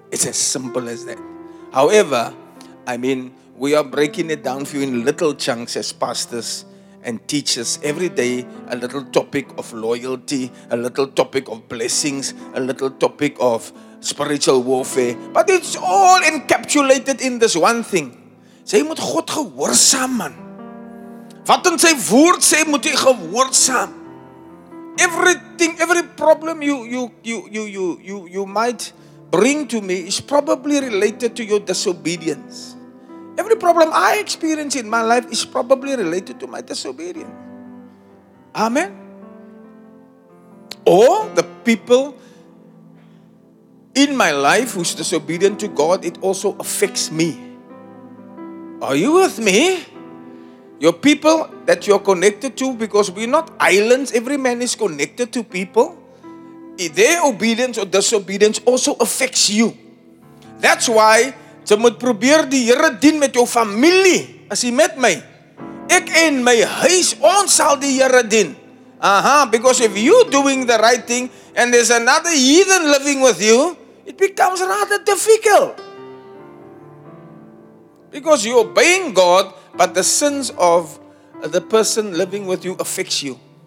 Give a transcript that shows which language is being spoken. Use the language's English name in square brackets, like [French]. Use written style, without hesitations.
[English] It's as simple as that. However, I mean, we are breaking it down for you in little chunks as pastors and teachers. Every day, a little topic of loyalty, a little topic of blessings, a little topic of spiritual warfare. But it's all encapsulated in this one thing. [Afrikaans] Sê, jy moet God gehoorsaam, man. Wat in sy woord sê, moet jy gehoorsaam. [English] Everything, every problem you might bring to me is probably related to your disobedience. Every problem I experience in my life is probably related to my disobedience. Amen. Or the people in my life who's disobedient to God, it also affects me. Are you with me? Your people that you're connected to, because we're not islands. Every man is connected to people. Their obedience or disobedience also affects you. That's why [Afrikaans] jy moet probeer die Here dien met jou familie. As jy met my, ek en my huis, ons sal die Here dien. [English] Because if you're doing the right thing and there's another heathen living with you, it becomes rather difficult. Because you're obeying God, but the sins of the person living with you affects you.